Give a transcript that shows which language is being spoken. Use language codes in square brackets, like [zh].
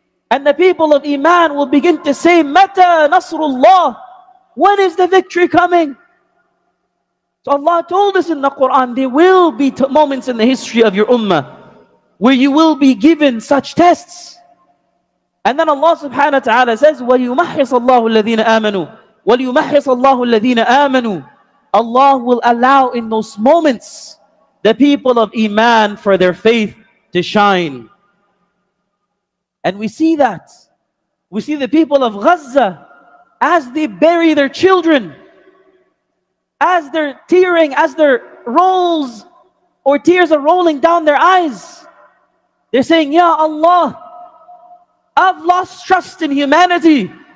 [en] And the people of Iman will begin to say, [ar] مَتَى نَصْرُ اللَّهِ, [en] when is the victory coming? So Allah told us in the Quran, there will be moments in the history of your ummah where you will be given such tests. And then Allah subhanahu wa ta'ala says, [ar] وَلْيُمَحِّصَ اللَّهُ الَّذِينَ آمَنُوا, وَلْيُمَحِّصَ اللَّهُ الَّذِينَ آمَنُوا. [en] Allah will allow in those moments the people of Iman for their faith to shine. And we see that. We see the people of Gaza, as they bury their children, as they're tearing, as their rolls or tears are rolling down their eyes, they're saying, Ya Allah, I've lost trust in humanity.